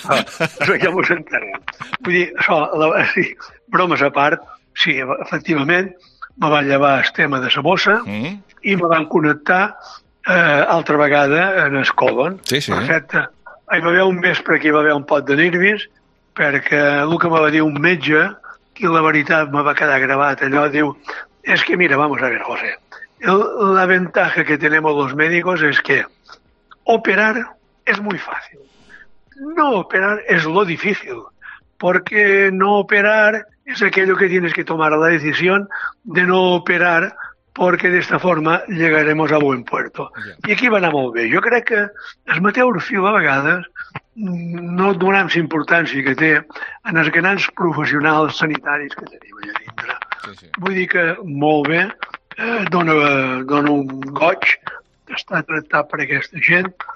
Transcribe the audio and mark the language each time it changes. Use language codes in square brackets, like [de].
[ca] Ja m'ho entenem. Vull dir, bromes a part, sí, efectivament, me van llevar el tema de la bossa i me van connectar altra vegada en el colon. Sí, sí. Perfecte. Hi va haver un vespre que hi va haver un pot de nervis, perquè el que me va dir un metge, que la veritat me va quedar gravat, allò diu, és que mira, [es] vamos a ver, José, La ventaja que tenemos los médicos es que operar es muy fácil. No operar es lo difícil, porque no operar es aquello que tienes que tomar la decisión de no operar, porque de esta forma llegaremos a buen puerto. [ca] Yeah. I aquí va anar molt bé. Jo crec que el mateix fil, a vegades, no donem la importància que té en els grans professionals sanitaris que tenim allà dintre. Sí, sí. Vull dir que molt bé, dona un goig d'estar tractat per aquesta gent.